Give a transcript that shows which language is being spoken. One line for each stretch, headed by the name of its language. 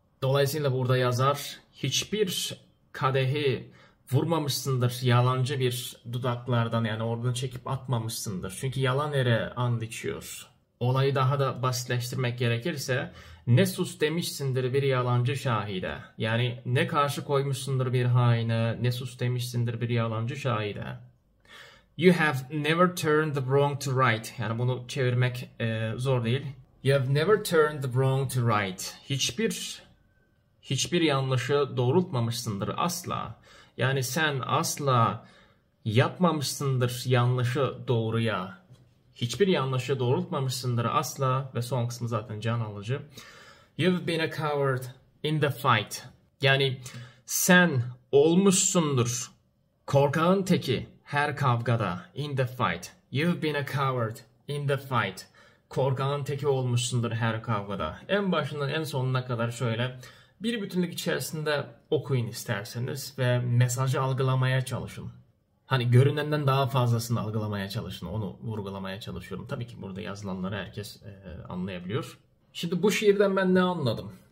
Turkish: Dolayısıyla burada yazar hiçbir kadehi vurmamışsındır yalancı bir dudaklardan yani oradan çekip atmamışsındır. Çünkü yalan yere and içiyor. Olayı daha da basitleştirmek gerekirse ne sus demişsindir bir yalancı şahide. Yani ne karşı koymuşsundur bir haine, ne sus demişsindir bir yalancı şahide.
English: You have never turned the wrong to right.
Turkish: Yani bunu çevirmek zor değil.
English: You have never turned the wrong to right.
Turkish: Hiçbir yanlışı doğrultmamışsındır asla. Yani sen asla yapmamışsındır yanlışı doğruya. Hiçbir yanlışı doğrultmamışsındır asla. Ve son kısmı zaten can alıcı.
English: You've been a coward in the fight.
Turkish: Yani sen olmuşsundur korkağın teki her kavgada
English: in the fight. You've been a coward in the fight.
Turkish: Korkağın teki olmuşsundur her kavgada. En başından en sonuna kadar şöyle bir bütünlük içerisinde okuyun isterseniz ve mesajı algılamaya çalışın. Hani görünenden daha fazlasını algılamaya çalışın. Onu vurgulamaya çalışıyorum. Tabii ki burada yazılanları herkes anlayabiliyor. Şimdi bu şiirden ben ne anladım?